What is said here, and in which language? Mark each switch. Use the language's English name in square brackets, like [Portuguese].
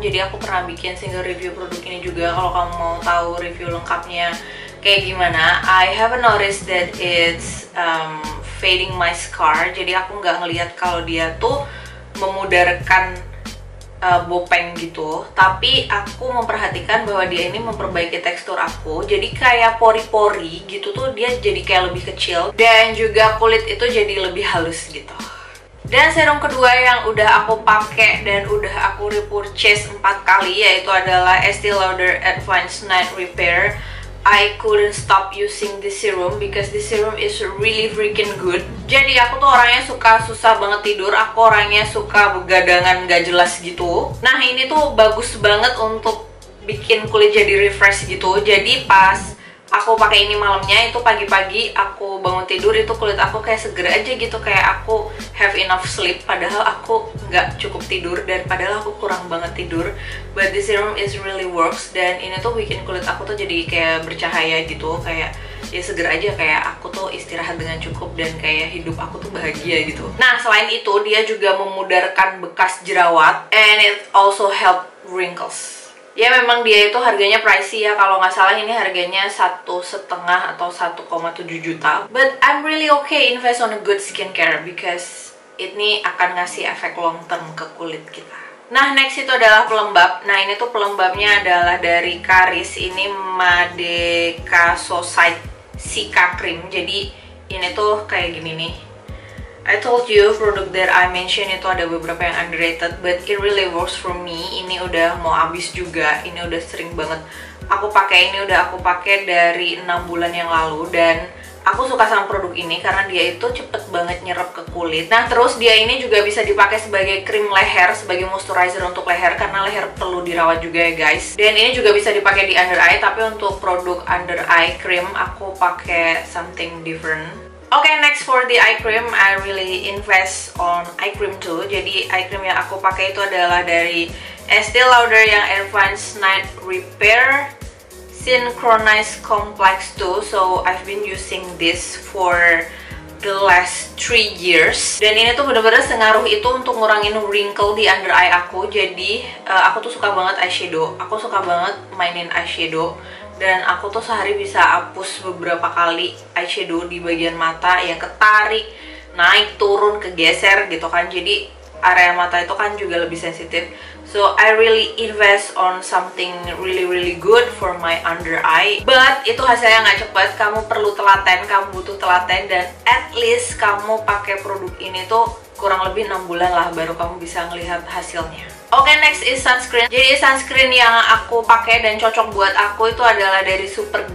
[Indonesian] Jadi aku pernah bikin single review produk ini juga. Kalau kamu mau tahu review lengkapnya kayak gimana, [English] I have noticed that it's fading my scar. [Indonesian] Jadi aku nggak ngelihat kalau dia tuh memudarkan bopeng gitu. Tapi aku memperhatikan bahwa dia ini memperbaiki tekstur aku. Jadi kayak pori-pori gitu tuh dia jadi kayak lebih kecil dan juga kulit itu jadi lebih halus gitu. Dan serum kedua yang udah aku pakai dan udah aku repurchase 4 kali yaitu adalah Estee Lauder Advanced Night Repair. [English] I couldn't stop using this serum because this serum is really freaking good. [Indonesian] Jadi aku tuh orangnya suka susah banget tidur, aku orangnya suka begadangan gak jelas gitu. Nah ini tuh bagus banget untuk bikin kulit jadi refresh gitu. Jadi pas aku pakai ini malamnya, itu pagi-pagi aku bangun tidur itu kulit aku kayak seger aja gitu, kayak aku [English] have enough sleep [Indonesian] padahal aku nggak cukup tidur dan padahal aku kurang banget tidur. [English] But this serum is really works [Indonesian] dan ini tuh bikin kulit aku tuh jadi kayak bercahaya gitu, kayak ya seger aja, kayak aku tuh istirahat dengan cukup dan kayak hidup aku tuh bahagia gitu. Nah selain itu dia juga memudarkan bekas jerawat [English] and it also help wrinkles. [Indonesian] Ya memang dia itu harganya pricey ya, kalau nggak salah ini harganya 1,5 atau 1,7 juta. [English] But I'm really okay invest on a good skincare because [Indonesian] ini akan ngasih efek long term ke kulit kita. Nah next itu adalah pelembab. Nah ini tuh pelembabnya adalah dari Charis, ini madecacoside cica cream. Jadi ini tuh kayak gini nih. [English] I told you produk that I mentioned [Indonesian] itu ada beberapa yang [English] underrated, but it really works for me. [Indonesian] Ini udah mau habis juga, ini udah sering banget aku pakai, ini udah aku pakai dari 6 bulan yang lalu dan aku suka sama produk ini karena dia itu cepet banget nyerap ke kulit. Nah terus dia ini juga bisa dipakai sebagai krim leher, sebagai moisturizer untuk leher karena leher perlu dirawat juga ya guys. Dan ini juga bisa dipakai di under eye, tapi untuk produk under eye cream aku pakai [English] something different. Okay, next for the eye cream, I really invest on eye cream too. [Indonesian] Jadi eye cream yang aku pakai itu adalah dari Estee Lauder yang Advanced Night Repair Synchronized Complex 2. [English] So I've been using this for the last 3 years. [Indonesian] Dan ini tuh bener-bener sengaruh itu untuk ngurangin wrinkle di under eye aku. Jadi aku tuh suka banget eyeshadow, aku suka banget mainin eyeshadow. Dan aku tuh sehari bisa hapus beberapa kali eyeshadow di bagian mata yang ketarik, naik, turun, kegeser gitu kan. Jadi area mata itu kan juga lebih sensitif. [English] So I really invest on something really really good for my under eye. [Indonesian] But itu hasilnya gak cepet, kamu perlu telaten, kamu butuh telaten. Dan at least kamu pakai produk ini tuh kurang lebih 6 bulan lah baru kamu bisa ngelihat hasilnya. [English] Okay, next is sunscreen. [Indonesian] Jadi sunscreen yang aku pakai dan cocok buat aku itu adalah dari Skrg.